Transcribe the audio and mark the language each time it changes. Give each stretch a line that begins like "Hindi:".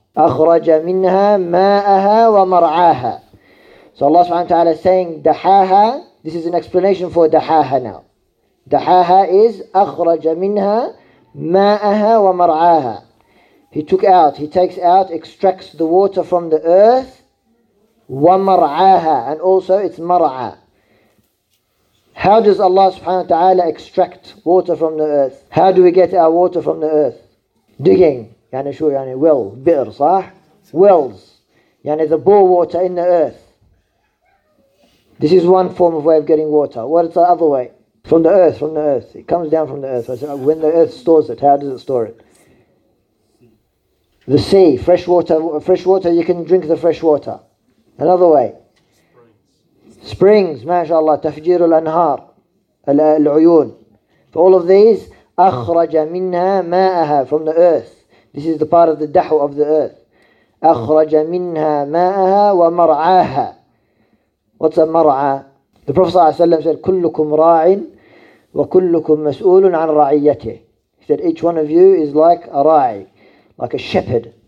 Arabic: أخرج منها ماءها ومرعاها.
English: So Allah subhanahu wa ta'ala is saying دحاها. This is an explanation for دحاها now.
Arabic: دحاها is أخرج منها ماءها ومرعاها.
English: He took out, He takes out, extracts the water from the earth. ومرعاها. And also it's مرعا. How does Allah subhanahu wa ta'ala extract water from the earth? How do we get our water from the earth? Digging.
Arabic: يعني شو يعني
English: well, بئر صح? Wells. يعني the bore water in the earth. This is one form of way of getting water. What is the other way? From the earth. It comes down from the earth. When the earth stores it, how does it store it? The sea, fresh water, you can drink the fresh water. Another way.
Arabic: Springs, mashallah, تفجير الأنهار, العيون.
English: For all of these,
Arabic: أخرج منها ماءها,
English: from the earth. This is the part of the dahu of the earth.
Arabic: أَخْرَجَ مِنْهَا مَاءَهَا وَمَرْعَاهَا.
English: What's a mar'a? The Prophet ﷺ said,
Arabic: كُلُّكُمْ رَاعٍ وَكُلُّكُمْ مَسْؤُولٌ عَنْ رَعِيَّتِهِ.
English: He said, each one of you is like a ra'i, like a shepherd.